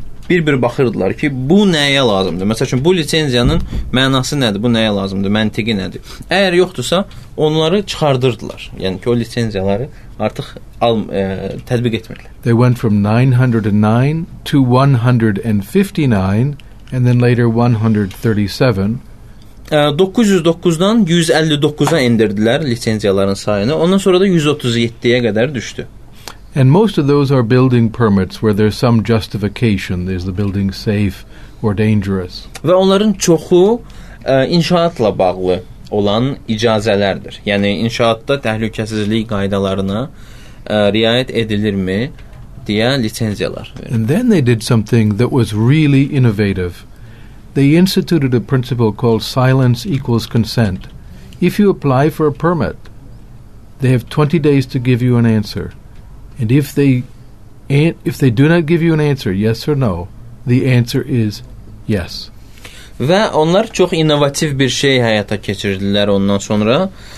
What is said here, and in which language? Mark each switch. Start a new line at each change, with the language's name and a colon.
Azerbaijani: Bir-bir baxırdılar ki, bu nəyə lazımdır? Məsəl üçün, bu lisenziyanın mənası nədir? Bu nəyə lazımdır? Məntiqi nədir? Əgər yoxdursa, onları çıxardırdılar. Yəni ki, o lisenziyaları artıq tətbiq etmirdilər.
English: They went from 909 to 159 and then later 137.
Azerbaijani: 909-dan 159-a endirdilər lisenziyaların sayını. Ondan sonra da 137-yə qədər düşdü.
English: And most of those are building permits where there's some justification. Is the building safe or dangerous?
Azerbaijani: Və onların çoxu inşaatla bağlı olan icazələrdir. Yəni, inşaatda təhlükəsizlik qaydalarına riayət edilirmi deyə lisenziyalar.
English: And then they did something that was really innovative. They instituted a principle called silence equals consent. If you apply for a permit, they have 20 days to give you an answer. And if they do not give you an answer, yes or no, the answer is yes.
Azerbaijani: Və onlar çox innovativ bir şey həyata keçirdilər ondan sonra.